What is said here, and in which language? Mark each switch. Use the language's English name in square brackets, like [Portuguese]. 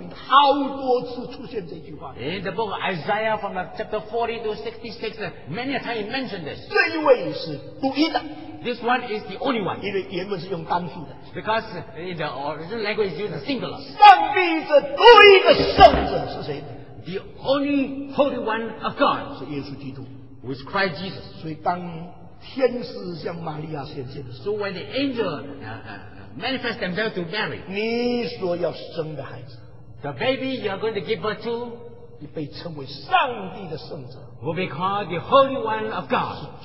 [Chinese] 在以赛亚书40章到66章，好多次出现这句话。 [English] In the book of Isaiah, from chapter 40 to 66, many a time he mentioned this. [Chinese] 这一位是独一的。 [English] This one is the only one. [Chinese] 因为原文是用单数的。 [English] Because in the original language, it's used as singular. [Chinese] 上帝是独一的圣者是谁？ [English] The only Holy One of God. [Chinese] 是耶稣基督。 [English] Who is Christ Jesus. [Chinese] 所以当 天使向玛利亚显现的时候, [English] so when the angel manifest themselves to Mary, [Chinese] 你所要生的孩子, [English] the baby you are going to give birth to, [Chinese] 你被称为上帝的圣者, [English] will be called the Holy One of God,